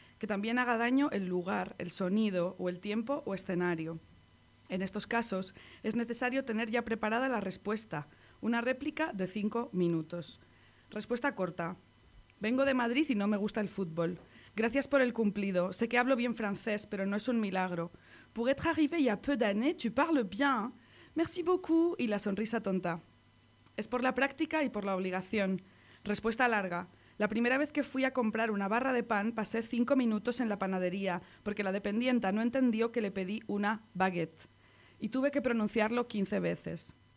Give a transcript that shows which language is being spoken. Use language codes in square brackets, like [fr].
[es] Que también haga daño el lugar, el sonido, o el tiempo o escenario. En estos casos, es necesario tener ya preparada la respuesta, una réplica de 5 minutos. Respuesta corta. Vengo de Madrid y no me gusta el fútbol. Gracias por el cumplido. Sé que hablo bien francés, pero no es un milagro. [fr] Pour être arrivé il y a peu d'années, tu parles bien. Merci beaucoup. [es] Y la sonrisa tonta. Es por la práctica y por la obligación. Respuesta larga. La primera vez que fui a comprar una barra de pan, pasé 5 minutos en la panadería, porque la dependienta no entendió que le pedí una baguette, y tuve que pronunciarlo 15 veces.